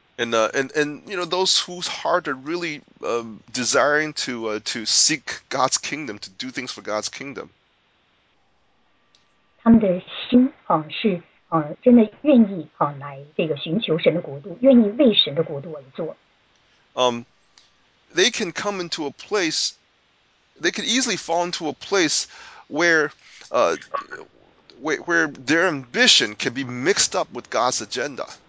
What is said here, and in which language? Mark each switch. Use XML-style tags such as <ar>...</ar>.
<en>And, and you know those whose heart are really desiring to seek God's kingdom, to do things for God's kingdom.</en> <zh>他们的心是真的愿意来这个寻求神的国度，愿意为神的国度而做。</zh> <en>They can come into a place. They could easily fall into a place where their ambition can be mixed up with God's agenda.</en>